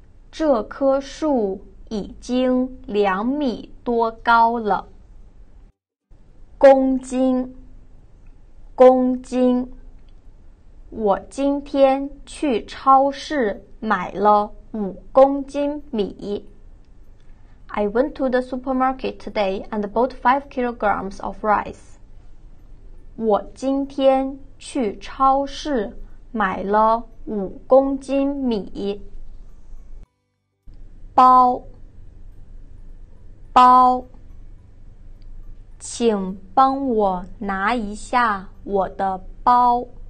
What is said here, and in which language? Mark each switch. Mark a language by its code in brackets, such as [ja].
[zh] 这棵树已经两米多高了。公斤，公斤。我今天去超市买了5公斤米。 [en] I went to the supermarket today and bought 5 kilograms of rice. [zh] 我今天去超市买了5公斤米。包，包，请帮我拿一下我的包。